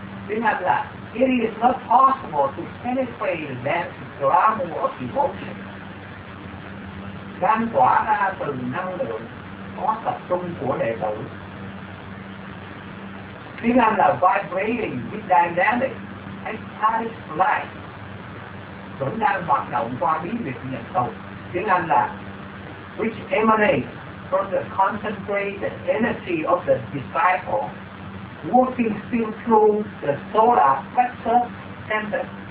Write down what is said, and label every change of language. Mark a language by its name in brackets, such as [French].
[English] Okay, it is not possible to penetrate that drama of emotion. [Vietnamese] Lan tỏa ra từ năng lượng có tập trung của đệ tử. Tiếng Anh là [English] vibrating with dynamic ecstatic life. [Vietnamese] Vẫn đang hoạt động qua bí huyệt Nhật Tùng. Tiếng Anh là [English] which emanates from the concentrated energy of the disciple working still through the solar plexus center.